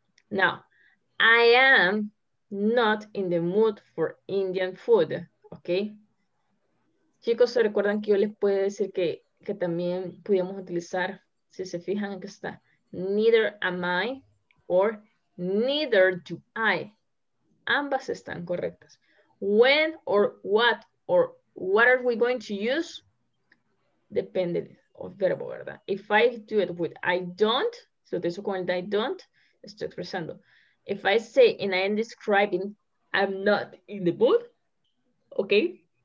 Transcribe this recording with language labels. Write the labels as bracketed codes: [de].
[en] Now, I am not in the mood for Indian food, okay? [es] Chicos, ¿se recuerdan que yo les puedo decir que también podíamos utilizar, si se fijan, aquí está, [en] neither am I or neither do I. [es] Ambas están correctas. [en] When or what are we going to use? [es] Depende of verbo, ¿verdad? [en] If I do it with I don't, [es] si lo utilizo con el I don't, estoy expresando. [en] If I say and I am describing, I'm not in the mood, okay?